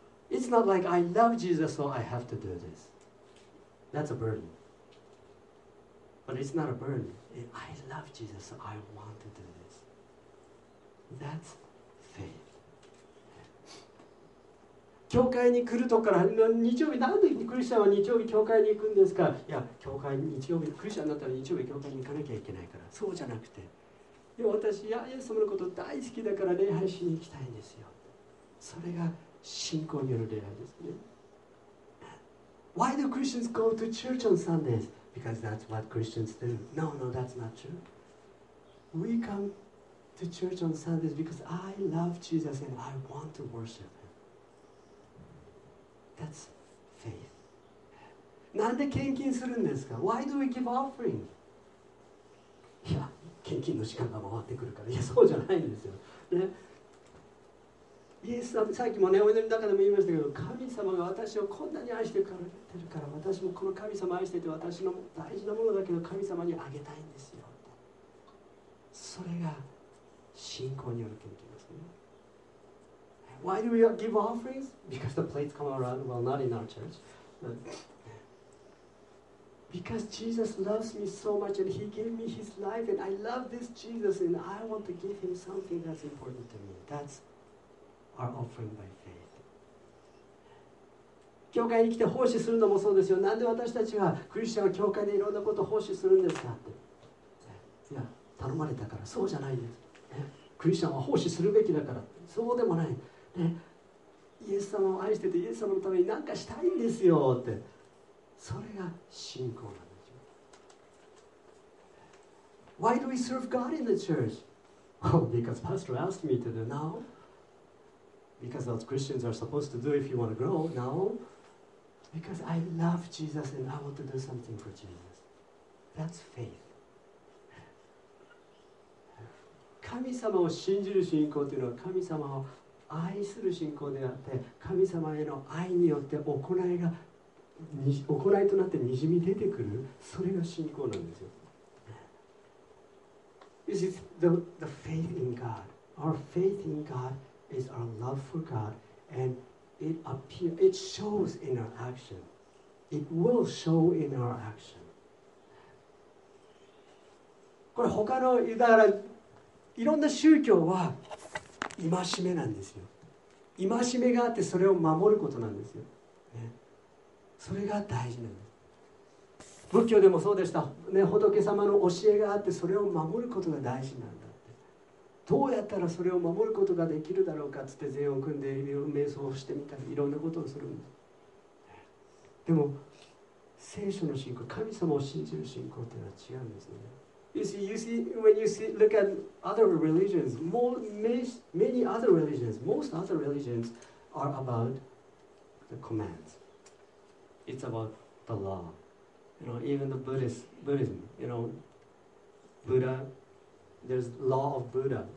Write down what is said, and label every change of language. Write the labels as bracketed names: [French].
[English] It's not like I love Jesus so I have to do this. That's a burden. But it's not a burden. I love Jesus, so I want to do this. That's faith. [Japanese] 教会に来るとから、日曜日、なんでクリスチャンは日曜日教会に行くんですか？いや、教会日曜日、クリスチャンだったら日曜日教会に行かなきゃいけないから。そうじゃなくて、いや私、イエス様のこと大好きだから礼拝しに行きたいんですよ。それが信仰による礼拝ですね。 [English] Why do Christians go to church on Sundays? Because that's what Christians do. No, no, that's not true. We come to church on Sundays because I love Jesus and I want to worship him. That's faith. [Japanese] なんで献金するんですか? [English] Why do we give offering? [Japanese] いや、献金の時間が回ってくるから。いや、そうじゃないんですよ。ね。イエス様、さっきもね、お祈りの中でも言いましたけど、神様が私をこんなに愛してくれてるから、私もこの神様愛してて、私の大事なものだけど、神様にあげたいんですよ。それが信仰による献金ですね。 [English] Why do we give offerings? Because the plates come around, well, not in our church. Because Jesus loves me so much and he gave me his life and I love this Jesus and I want to give him something that's important to me. That'sAre offering by faith. [Japanese] 教会に来て奉仕するのもそうですよ。なんで私たちはクリスチャンは教会でいろんなことを奉仕するんですかって。いや、頼まれたから。そうじゃないです。クリスチャンは奉仕するべきだから。そうでもない。イエス様を愛しててイエス様のために何かしたいんですよって。それが信仰なんですよ。 [English] Why do we serve God in the church? Well, because Pastor asked me to do now. Because those Christians are supposed to do if you want to grow. No. Because I love Jesus and I want to do something for Jesus. That's faith. [Japanese] 神様を信じる信仰というのは神様を愛する信仰であって、神様への愛によって行いとなってにじみ出てくる、それが信仰なんですよ。 [English] This is the faith in God. Our faith in GodIs our love for God, and it shows in our action. It will show in our action. [Japanese] これ他のだからいろんな宗教は戒めなんですよ。戒めがあってそれを守ることなんですよ。ね、それが大事なんです。仏教でもそうでした。ね、仏様の教えがあってそれを守ることが大事なんだ。どうやったらそれを守ることができるだろうかって禅を組んで瞑想をしてみたりいろんなことをするんです。でも聖書の信仰、神様を信じる信仰というのは違うんですね。 [English] You see, you see, when you see, look at other religions, many other religions, most other religions are about the commands. It's about the law. You know, even the Buddhism, you know, Buddha,There's law of Buddha.